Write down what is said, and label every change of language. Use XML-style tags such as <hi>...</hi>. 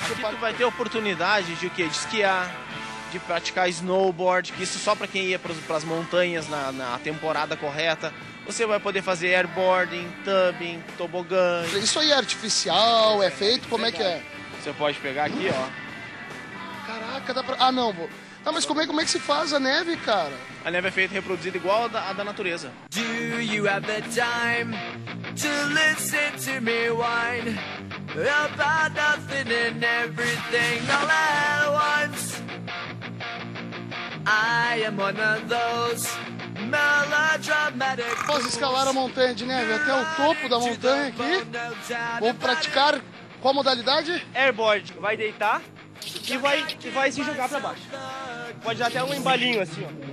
<pt>Aqui tu vai ter oportunidade de o quê? De esquiar, de praticar snowboard, que isso só para quem ia para as montanhas na temporada correta. Você vai poder fazer airboarding, tubing, tobogã. Isso aí é artificial, é feito, como é que é? Você pode pegar aqui, ó. Caraca, dá pra... Ah, não, vou... Ah, mas como é que se faz a neve, cara? A neve é feita e reproduzida igual a da natureza.</pt> <en>Do you have the time to listen to me whine about nothing and everything all at once? I am one of those melodramatic.</en> <pt>Posso escalar a montanha de neve até o topo da montanha aqui? Vou praticar qual modalidade? Airboard. Vai deitar e vai se jogar pra baixo. Pode dar até um embalinho assim, ó.</pt>